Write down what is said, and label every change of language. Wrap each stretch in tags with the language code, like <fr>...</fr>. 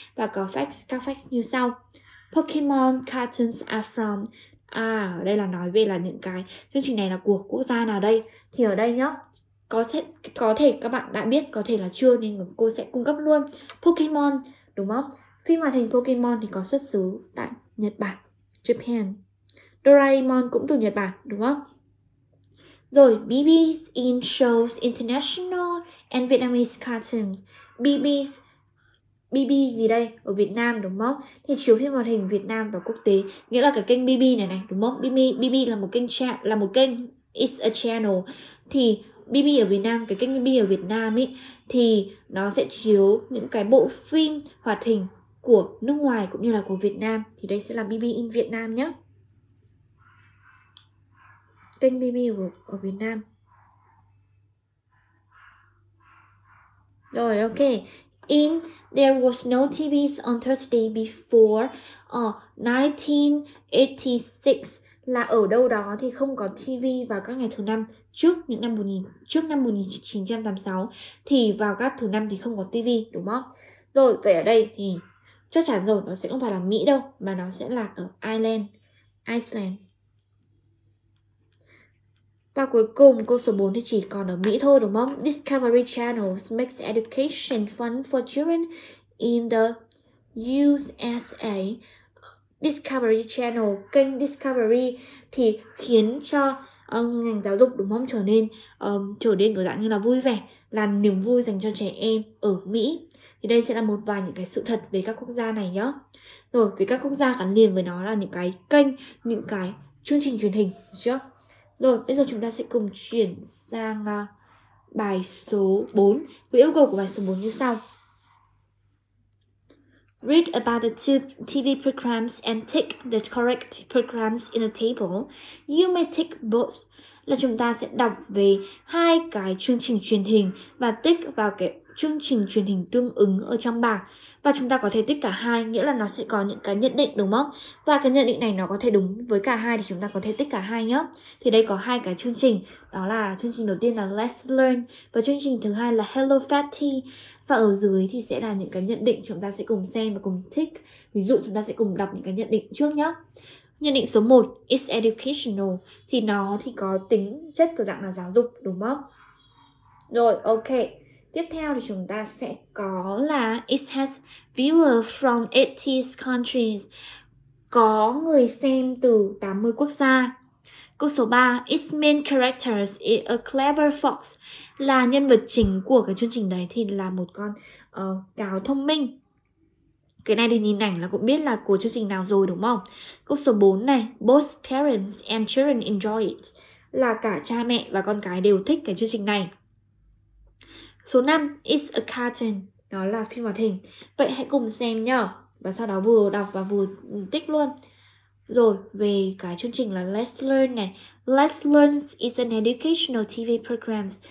<vi>Và có facts, các facts như sau.</vi> <en>Pokemon cartoons are from,</en> <vi>à ở đây là nói về là những cái chương trình này là của quốc gia nào đây. Thì ở đây nhá, có thể các bạn đã biết, có thể là chưa nên cô sẽ cung cấp luôn. Pokemon đúng không? Phim hoạt hình Pokemon thì có xuất xứ tại Nhật Bản, Japan. Doraemon cũng từ Nhật Bản đúng không?</vi> <en>Rồi BB's in shows international and Vietnamese cartoons.</en> <vi>BB gì đây? Ở Việt Nam đúng không? Thì chiếu phim hoạt hình Việt Nam và quốc tế, nghĩa là cái kênh BB này này đúng không? BB là một kênh chat, là một kênh,</vi> <en>it's a channel.</en> <vi>Thì BB ở Việt Nam, cái kênh BB ở Việt Nam ý, thì nó sẽ chiếu những cái bộ phim hoạt hình của nước ngoài cũng như là của Việt Nam. Thì đây sẽ là BB in Việt Nam nhé. Kênh BB ở Việt Nam. Rồi, ok.</vi> <en>In there was no TVs on Thursday before 1986</en> <vi>là ở đâu đó thì không có TV vào các ngày thứ năm trước năm 1986 thì vào các thứ năm thì không có TV đúng không? Rồi vậy ở đây thì chắc chắn rồi nó sẽ không phải là Mỹ đâu mà nó sẽ là ở Iceland. Và cuối cùng câu số 4 thì chỉ còn ở Mỹ thôi đúng không?</vi> <en>Discovery Channels makes education fun for children in the USA.</en> <vi>Discovery Channel, kênh Discovery thì khiến cho ngành giáo dục đúng không trở nên kiểu dạng như là vui vẻ, là niềm vui dành cho trẻ em ở Mỹ. Thì đây sẽ là một vài những cái sự thật về các quốc gia này nhá. Rồi, vì các quốc gia gắn liền với nó là những cái kênh, những cái chương trình truyền hình, chưa? Rồi, bây giờ chúng ta sẽ cùng chuyển sang bài số 4. Với yêu cầu của bài số 4 như sau.</vi> <en>Read about the two TV programs and tick the correct programs in a table. You may tick both.</en> <vi>Là chúng ta sẽ đọc về hai cái chương trình truyền hình và tick vào cái chương trình truyền hình tương ứng ở trong bảng. Và chúng ta có thể tick cả hai, nghĩa là nó sẽ có những cái nhận định đúng không? Và cái nhận định này nó có thể đúng với cả hai thì chúng ta có thể tick cả hai nhé. Thì đây có hai cái chương trình, đó là chương trình đầu tiên là Let's Learn và chương trình thứ hai là Hello Fatty. Và ở dưới thì sẽ là những cái nhận định chúng ta sẽ cùng xem và cùng tick. Ví dụ chúng ta sẽ cùng đọc những cái nhận định trước nhé. Nhận định số 1,</vi> <en>it's educational.</en> <vi>Thì nó thì có tính chất của dạng là giáo dục, đúng không? Rồi, ok. Tiếp theo thì chúng ta sẽ có là</vi> <en>it has viewers from 80 countries.</en> <vi>Có người xem từ 80 quốc gia. Câu số 3,</vi> <en>its main character is a clever fox.</en> <vi>Là nhân vật chính của cái chương trình đấy thì là một con cáo thông minh. Cái này thì nhìn ảnh là cũng biết là của chương trình nào rồi đúng không? Câu số 4 này,</vi> <en>both parents and children enjoy it.</en> <vi>Là cả cha mẹ và con cái đều thích cái chương trình này. Số 5,</vi> <en>it's a cartoon.</en> <vi>Đó là phim hoạt hình. Vậy hãy cùng xem nhá. Và sau đó vừa đọc và vừa tích luôn. Rồi, về cái chương trình là</vi> <en>Let's Learn này. Let's Learn is an educational TV program.</en>